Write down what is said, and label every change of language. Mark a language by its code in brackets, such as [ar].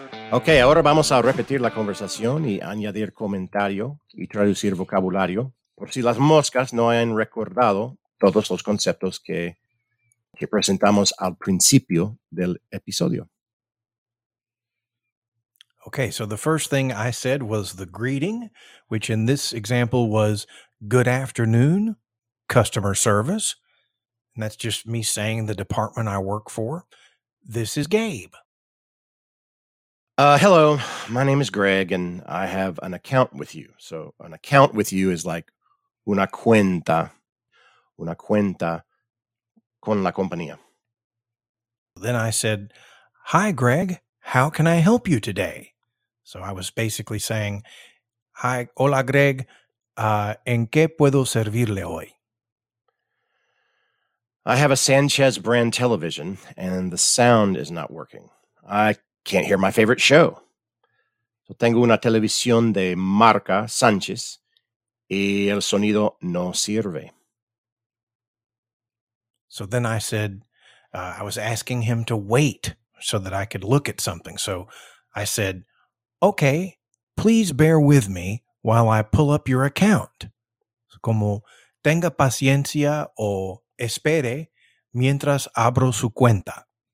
[es] Ok, ahora vamos a repetir la conversación y añadir comentario y traducir vocabulario por si las moscas no hayan recordado todos los conceptos que presentamos al principio del episodio. [en] Ok, so the first thing I said was the greeting, which in this example was good afternoon, customer service. And that's just me saying the department I work for. This is Gabe. Hello, my name is Greg, and I have an account with you. So an account with you is like [es] una cuenta con la compañía. [en] Then I said, hi, Greg, how can I help you today? So I was basically saying, hi, hola, Greg, [es] ¿en qué puedo servirle hoy? [en] I have a Sanchez brand television, and the sound is not working. I can't hear my favorite show. [es] So tengo una televisión de marca Sánchez y el sonido no sirve. [en] So then I said, I was asking him to wait so that I could look at something. So I said, okay, please bear with me while I pull up your account. [es] Como tenga paciencia o espere mientras abro su cuenta.